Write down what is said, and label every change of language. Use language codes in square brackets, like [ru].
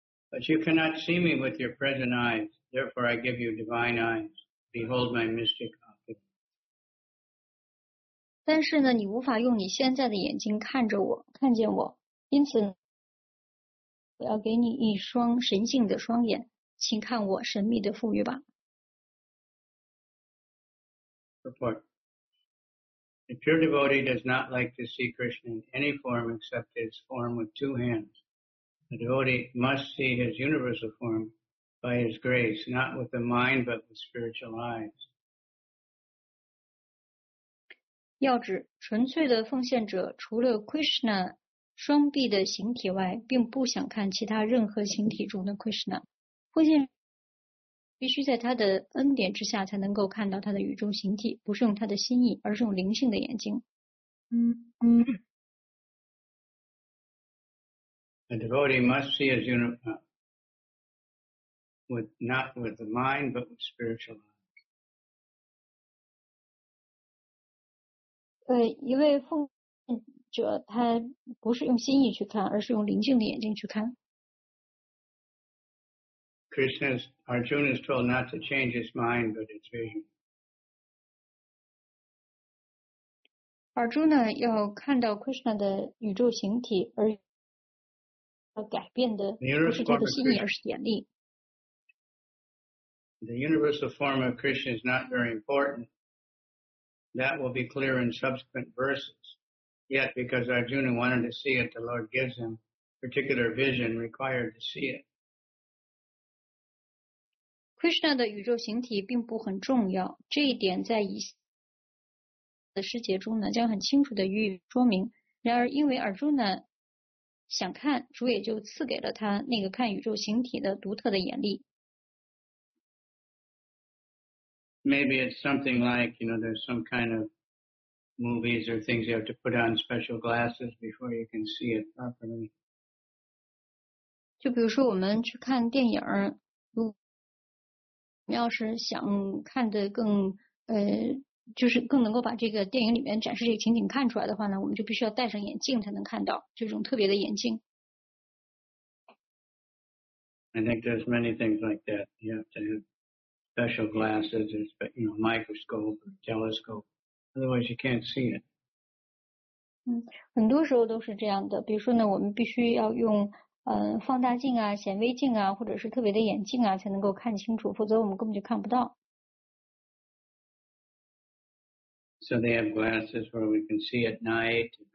[en] But you cannot see me with your present eyes, therefore I give you divine eyes. Behold my mystic eyes. [zh] 但是呢，你无法用你现在的眼睛看着我，看见我，因此我要给你一双神性的双眼，请看我神秘的富裕吧。 [en] Report. A pure devotee does not like to see Krishna in any form except his form with two hands. A devotee must see his universal form by his grace, not with the mind but with spiritual eyes. [zh] 要指纯粹的奉献者，除了 Krishna 双臂的形体外，并不想看其他任何形体中的 Krishna。奉献必须在他的恩典之下才能够看到他的宇宙形体，不是用他的心意，而是用灵性的眼睛。 [en] A devotee must see his universe with not with the mind but with spiritual eyes. [zh] 对，一位奉献者，他不是用心意去看，而是用灵性的眼睛去看。 [en] Krishna, Arjuna is told not to change his mind, but his vision. [zh] Arjuna 要看到 Krishna 的宇宙形体，而要改变的不是他的心意，而是眼力。 [en] The universal form of Krishna is not very important. That will be clear in subsequent verses. Yet, because Arjuna wanted to see it, the Lord gives him particular vision required to see it. [zh] Krishna 的宇宙形体并不很重要，这一点在以的诗节中呢将很清楚的予以说明。然而，因为 Arjuna 想看，主也就赐给了他那个看宇宙形体的独特的眼力。 [en] Maybe it's something like, you know, there's some kind of movies or things you have to put on special glasses before you can see it properly. [zh] 就比如说我们去看电影，如果要是想看得更就是更能够把这个电影里面展示这个情景看出来的话呢，我们就必须要戴上眼镜才能看到，这种特别的眼镜。 [en] I think there's many things like that you have to have. Special glasses, or, you know, microscope, or telescope. Otherwise, you can't see it. [zh] 很多时候都是这样的。比如说呢，我们必须要用放大镜啊、显微镜啊，或者是特别的眼镜啊，才能够看清楚。否则我们根本就看不到。 [en] So they have glasses where we can see at night.